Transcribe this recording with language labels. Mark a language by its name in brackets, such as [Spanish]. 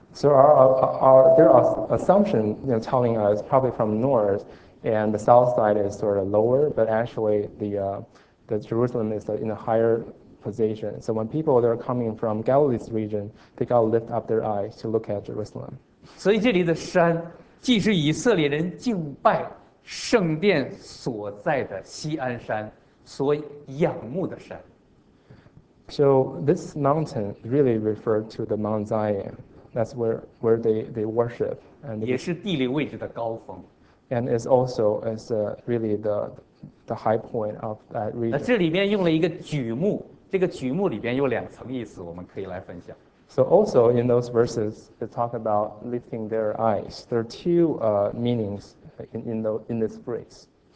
[English] So our assumption, you know, telling us probably from north, and the south side is sort of lower, but actually the Jerusalem is in a higher position. So when people they are coming from Galilee's region, they got to lift up their eyes to look at Jerusalem. [Chinese] 所以这里的山，既是以色列人敬拜圣殿所在的锡安山所仰慕的山。 [English] So this mountain really referred to the Mount Zion. That's where they worship, and [Chinese] 也是地理位置的高峰, [English] and it's also is really the high point of that region. [Chinese] 那这里面用了一个举目，这个举目里边有两层意思，我们可以来分享。 [English] So also in those verses, they talk about lifting their eyes. There are two meanings in this phrase.